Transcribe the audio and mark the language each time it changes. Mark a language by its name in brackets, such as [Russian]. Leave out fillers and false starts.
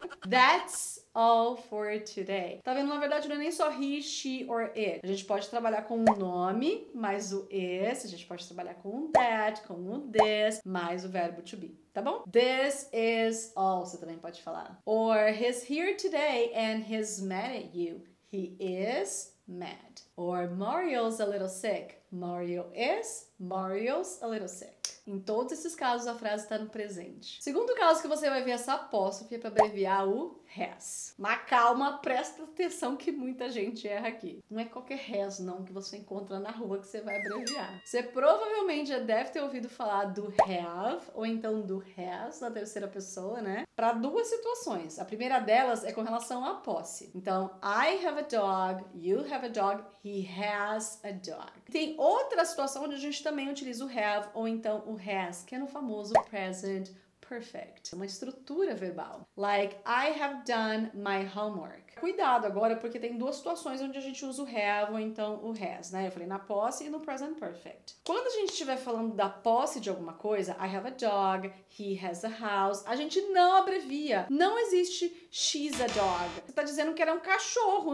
[English] That's all for today. [Portuguese] Tá vendo? Na verdade, não é nem só he, she or it. A gente pode trabalhar com o nome, mais o is. A gente pode trabalhar com o that, com o this, mais o verbo to be. Tá bom? [English] This is all, [Portuguese] você também pode falar. [English] Or he's here today and he's mad at you. He is mad. Or Mario's a little sick. Mario is, Mario's a little sick. [Portuguese] Em todos esses casos, a frase está no presente. Segundo caso que você vai ver essa apóstrofe é para abreviar o has. Mas calma, presta atenção que muita gente erra aqui. Não é qualquer has, não, que você encontra na rua que você vai abreviar. Você provavelmente já deve ter ouvido falar do have ou então do has na terceira pessoa, né? Para duas situações. A primeira delas é com relação à posse. [English] Então, I have a dog, you have a dog, he has a dog. [Portuguese] Tem outra situação onde a gente também utiliza o have ou então o has, que é no famoso present perfect. É uma estrutura verbal. [English] Like, I have done my homework. [Portuguese] Cuidado agora, porque tem duas situações onde a gente usa o have ou então o has, né? Eu falei na posse e no present perfect. Quando a gente estiver falando da posse de alguma coisa, [English] I have a dog, he has a house, [Portuguese] a gente não abrevia. Não existe [English] she's a dog. [Portuguese] Você tá dizendo que ela é um cachorro.